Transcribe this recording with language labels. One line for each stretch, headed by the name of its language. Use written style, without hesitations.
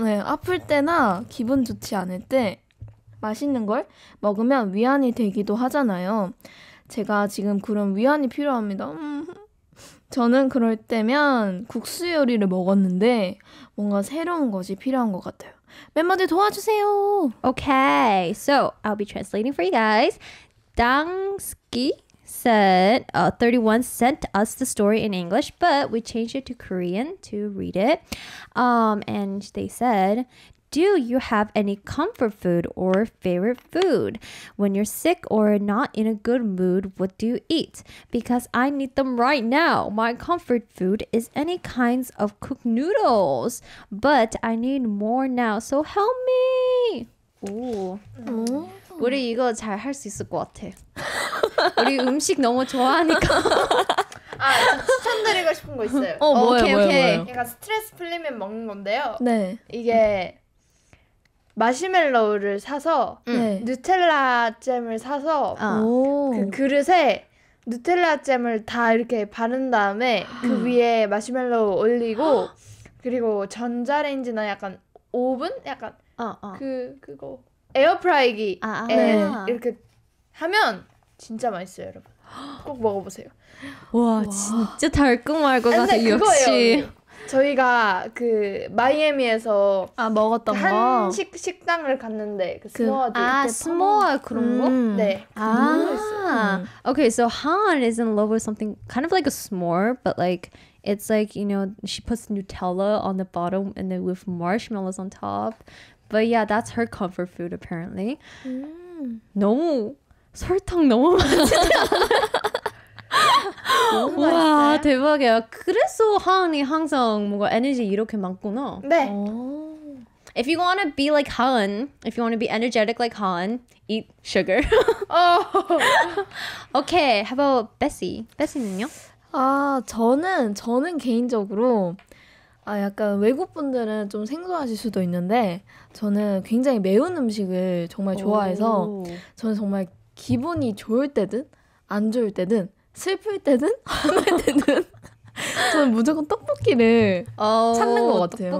Korean: 네, 아플 때나 기분 좋지 않을 때 맛있는 걸 먹으면 위안이 되기도 하잖아요. 제가 지금 그런 위안이 필요합니다. 저는 그럴 때면 국수 요리를 먹었는데 뭔가 새로운 것이 필요한 것 같아요. 멤버들 도와주세요.
English: Okay, so I'll be translating for you guys. Dangski said, 31 sent us the story in English, but we changed it to Korean to read it. And they said, do you have any comfort food or favorite food? When you're sick or not in a good mood, what do you eat? Because I need them right now. My comfort food is any kinds of cooked noodles. But I need more now, so help me!
Korean: 오, 우리 이거 잘 할 수 있을 것 같아. 우리 음식 너무 좋아하니까. 아, 추천드리고 싶은 거 있어요. 뭐예요? 약간 스트레스 풀리면 먹는 건데요. 네. 이게 마시멜로우를 사서 누텔라 잼을 사서 그 그릇에 누텔라 잼을 다 이렇게 바른 다음에 그 위에 마시멜로우 올리고 그리고 전자레인지나 약간 오븐? 약간 그거 에어프라이기 이렇게 하면 진짜 맛있어요, 여러분. 꼭 먹어보세요. 와, 진짜 달콤할 것 같아, 그거예요. 역시. 저희가 그 마이애미에서 먹었던 그 한식 거? 식당을 갔는데 그 스모어드 스모어 그런 거? 네. 너무 맛있어요.
English: Okay, so Han is in love with something kind of like a s'more, but like it's like, you know, she puts Nutella on the bottom and then with marshmallows on top. But yeah, that's her comfort food apparently.
Korean: No. 너무 설탕 너무 많지. 와, 대박이야. 그래서 하은이 항상 뭔가 에너지 이렇게 많구나. 네.
English: If you want to be like Han, if you want to be energetic like Han, eat sugar. Okay, how about Bessie?
Korean: Bessie는요? 아, 저는 개인적으로 아, 약간 외국분들은 좀 생소하실 수도 있는데 저는 굉장히 매운 음식을 정말 좋아해서 저는 정말 기분이 좋을 때든 안 좋을 때든 슬플 때든 화날 때든 저는 무조건 떡볶이를 찾는 것 같아요.